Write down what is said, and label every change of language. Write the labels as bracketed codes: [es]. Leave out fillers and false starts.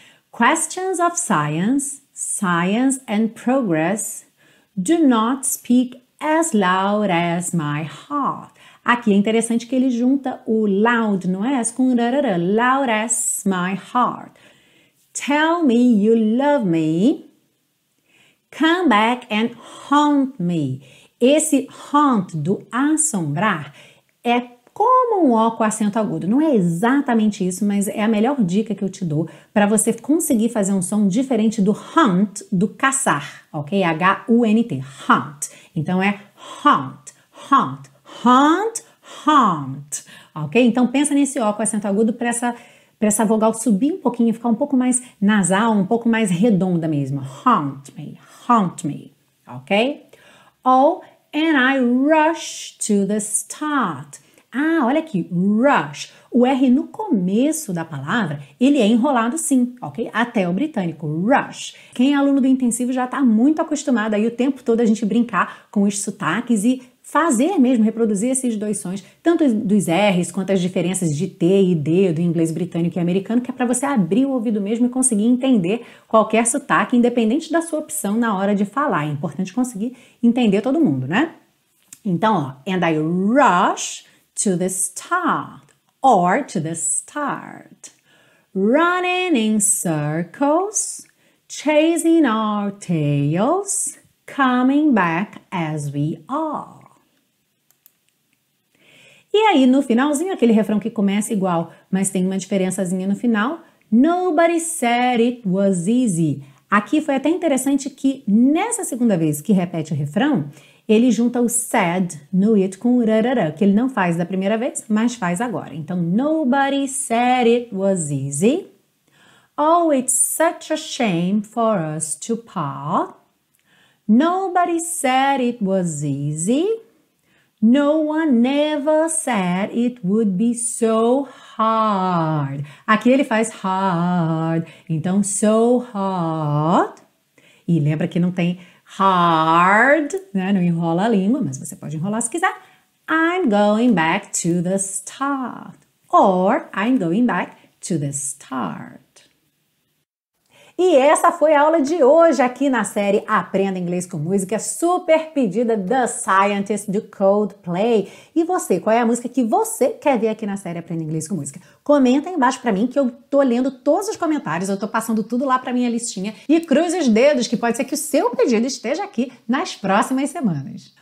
[en] Questions of science, science and progress. Do not speak as loud as my heart. [pt] Aqui é interessante que ele junta o loud no S com rarara. [en] Loud as my heart. Tell me you love me. Come back and haunt me. [pt] Esse haunt do assombrar é como um O com acento agudo. Não é exatamente isso, mas é a melhor dica que eu te dou para você conseguir fazer um som diferente do haunt, do caçar, ok? H-U-N-T, haunt. Então é haunt, haunt, haunt, haunt, ok? Então pensa nesse O com acento agudo para essa vogal subir um pouquinho, ficar um pouco mais nasal, um pouco mais redonda mesmo. [en] Haunt me, haunt me, ok? Oh, and I rush to the start. [pt] Ah, olha aqui, rush. O R no começo da palavra, ele é enrolado sim, ok? Até o britânico, rush. Quem é aluno do intensivo já está muito acostumado aí o tempo todo a gente brincar com os sotaques e fazer mesmo, reproduzir esses dois sons, tanto dos R's quanto as diferenças de T e D do inglês britânico e americano, que é para você abrir o ouvido mesmo e conseguir entender qualquer sotaque, independente da sua opção na hora de falar. É importante conseguir entender todo mundo, né? [en] Então, ó, and I rush to the start, or to the start. Running in circles, chasing our tails, coming back as we are. [pt] E aí, no finalzinho, aquele refrão que começa igual, mas tem uma diferençazinha no final. [en] Nobody said it was easy. [pt] Aqui foi até interessante que, nessa segunda vez que repete o refrão, ele junta o said no it com o rarara, que ele não faz da primeira vez, mas faz agora. [en] Então, nobody said it was easy. Oh, it's such a shame for us to part. Nobody said it was easy. No one ever said it would be so hard. [pt] Aqui ele faz hard, então so hard. E lembra que não tem hard, né? Não enrola a língua, mas você pode enrolar se quiser. [en] I'm going back to the start. Or I'm going back to the start. [pt] E essa foi a aula de hoje aqui na série Aprenda Inglês com Música, super pedida, The Scientist do Coldplay. E você, qual é a música que você quer ver aqui na série Aprenda Inglês com Música? Comenta aí embaixo pra mim que eu tô lendo todos os comentários, eu tô passando tudo lá pra minha listinha. E cruze os dedos que pode ser que o seu pedido esteja aqui nas próximas semanas.